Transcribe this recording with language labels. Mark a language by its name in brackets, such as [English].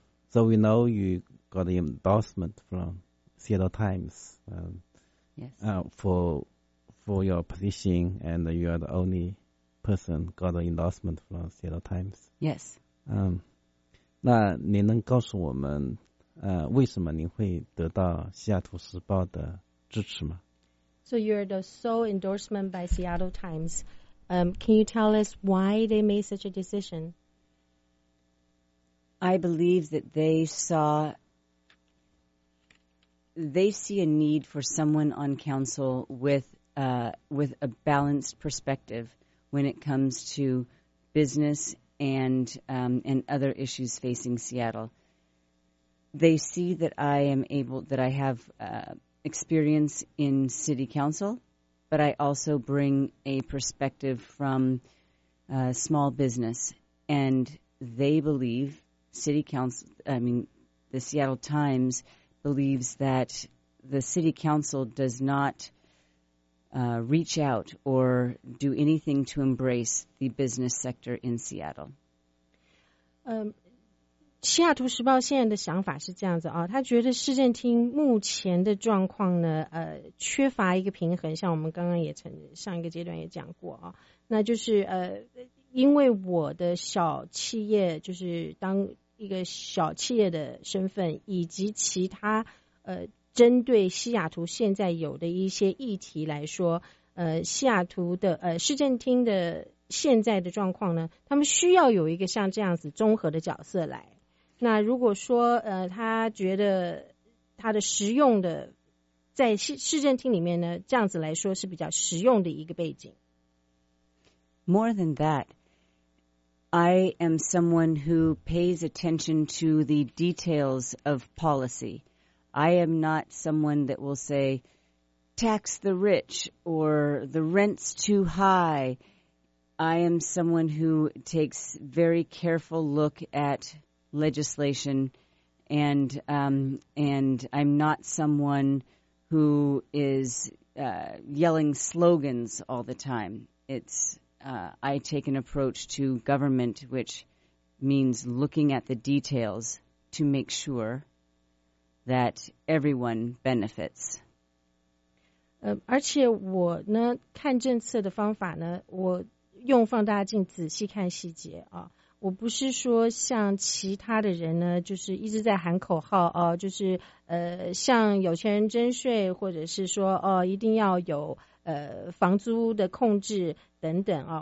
[English] So we know you got the endorsement from Seattle Times. For your position, and you are the only person got the endorsement from Seattle Times. Yes. [Chinese] 那您能告诉我们，为什么您会得到西雅图时报的支持吗？ [English] So you're the sole endorsement by Seattle Times. Can you tell us why they made such a decision? I believe that they see a need for someone on council with a balanced perspective when it comes to business and other issues facing Seattle. They see that I am able, that I have, experience in city council, but I also bring a perspective from small business, and they believe city council, I mean the Seattle Times believes that the city council does not reach out or do anything to embrace the business sector in Seattle. [Chinese] 西雅图时报现在的想法是这样子啊，他觉得市政厅目前的状况呢，缺乏一个平衡。像我们刚刚也曾上一个阶段也讲过啊，那就是因为我的小企业，就是当一个小企业的身份，以及其他针对西雅图现在有的一些议题来说，西雅图的市政厅的现在的状况呢，他们需要有一个像这样子综合的角色来。那如果说他觉得他的实用的在市政厅里面呢，这样子来说是比较实用的一个背景。 [English] More than that, I am someone who pays attention to the details of policy. I am not someone that will say tax the rich or the rent's too high. I am someone who takes very careful look at legislation and I'm not someone who is yelling slogans all the time. It's I take an approach to government, which means looking at the details to make sure that everyone benefits. [Chinese] 而且我呢，看政策的方法呢，我用放大镜仔细看细节啊。我不是说像其他的人呢，就是一直在喊口号啊，就是向有钱人征税，或者是说哦，一定要有房租的控制等等啊。